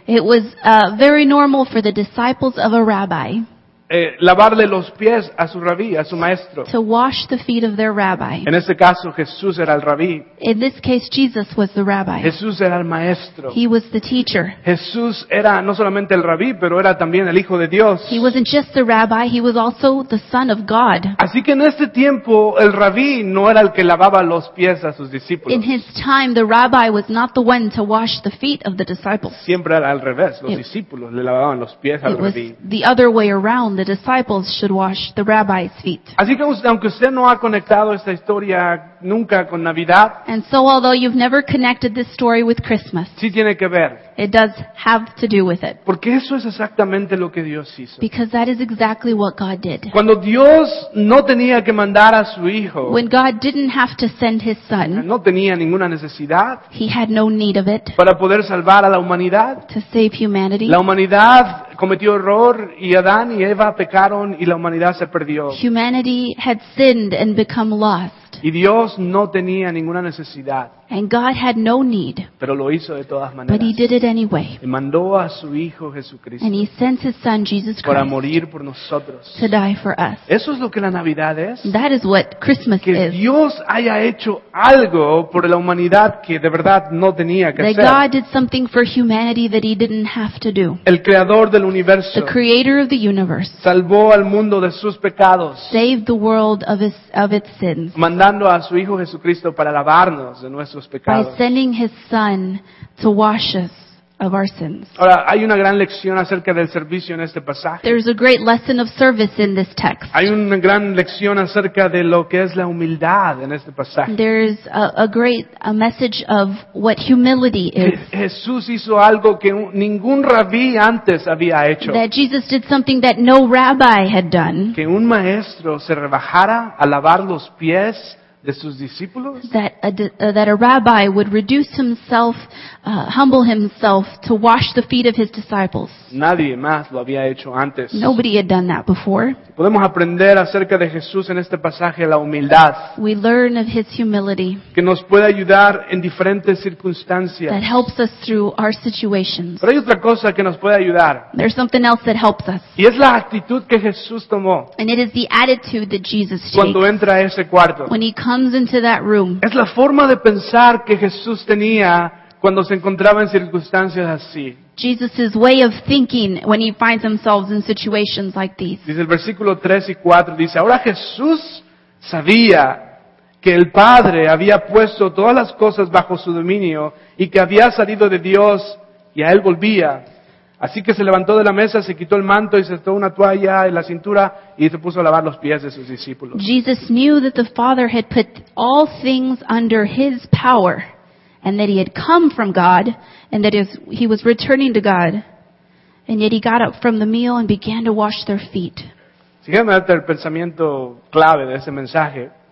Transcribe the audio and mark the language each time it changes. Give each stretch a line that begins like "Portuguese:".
English: It was very normal for the disciples of a rabbi.
Spanish: Lavarle los pies a su rabí, a su maestro.
English: To wash the feet of their rabbi.
Spanish: En este caso, Jesús era el rabí.
English: In this case, Jesus was the rabbi.
Spanish: Jesús era el maestro.
English: He was the teacher.
Spanish: Jesús era no solamente el rabí, pero era también el Hijo de Dios.
English: He wasn't just the rabbi, he was also the Son of God.
Spanish: Así que en este tiempo, el rabí no era el que lavaba los pies a sus discípulos.
English: In his time, the rabbi was not the one to wash the feet of the disciples.
Spanish: Siempre era al revés, los discípulos le lavaban los pies al rabí.
English: It was the other way around. The disciples should wash the rabbi's feet.
Spanish: Así que aunque usted no ha conectado esta historia nunca con Navidad,
English: and so although you've never connected this story with Christmas,
Spanish: sí tiene que ver.
English: It does have to do with it.
Spanish: Porque eso es exactamente lo que Dios hizo.
English: Because that is exactly what God did.
Spanish: Cuando Dios no tenía que mandar a su hijo,
English: when God didn't have to send his son,
Spanish: no tenía ninguna necesidad,
English: he had no need of it,
Spanish: para poder salvar a la humanidad,
English: to save humanity.
Spanish: La humanidad cometió error y Adán y Eva pecaron y la humanidad se perdió.
English: Humanity had sinned and become lost.
Spanish: Y Dios no tenía ninguna necesidad.
English: And God had no need.
Spanish: Pero lo hizo de todas maneras.
English: But he did it anyway.
Spanish: Y mandó a su Hijo Jesucristo.
English: And he sent his son Jesus Christ.
Spanish: Para morir por nosotros.
English: To die for us.
Spanish: Eso es lo que la Navidad es.
English: That is what Christmas
Spanish: que
English: is.
Spanish: Que Dios haya hecho algo por la humanidad que de verdad no tenía que
English: that
Spanish: hacer.
English: That God did something for humanity that he didn't have to do.
Spanish: El creador del universo.
English: The creator of the universe.
Spanish: Salvó al mundo de sus pecados.
English: Saved the world of its sins.
Spanish: Mandando a su Hijo Jesucristo para lavarnos de nuestros pecados.
English: By sending his son to wash us. of our sins.
Spanish: Ahora, hay una gran lección acerca del servicio en este pasaje.
English: There's a great lesson of service in this text.
Spanish: Hay una gran lección acerca de lo que es la humildad en este pasaje.
English: There's a great message of what humility is.
Spanish: Jesús hizo algo que ningún rabí antes había hecho.
English: That Jesus did something that no rabbi had done.
Spanish: Que un maestro se rebajara a lavar los pies de sus discípulos.
English: That a rabbi would reduce himself, humble himself to wash the feet of his disciples.
Spanish: Nadie más lo había hecho antes.
English: Nobody had done that before.
Spanish: Podemos aprender acerca de Jesús en este pasaje la humildad.
English: We learn of his humility.
Spanish: Que nos puede ayudar en diferentes circunstancias.
English: That helps us through our situations.
Spanish: Pero hay otra cosa que nos puede ayudar.
English: There's something else that helps us.
Spanish: Y es la actitud que Jesús tomó.
English: And it is the attitude that Jesus takes.
Spanish: Cuando entra a ese cuarto.
English: When he comes into that room.
Spanish: Es la forma de pensar que Jesús tenía cuando se encontraba en circunstancias así.
English: Jesus's way of thinking when he finds himself in situations like these.
Spanish: Dice el versículo 3 y 4, dice, ahora Jesús sabía que el Padre había puesto todas las cosas bajo su dominio y que había salido de Dios y a él volvía. Así que se levantó de la mesa, se quitó el manto y se sentó una toalla en la cintura y se puso a lavar los pies de sus discípulos.
English: Jesus knew that the Father had put all things under his power and that he had come from God and that he was returning to God. And yet he got up from the meal and began to wash their feet.
Spanish: Sígueme hasta el pensamiento clave de ese mensaje.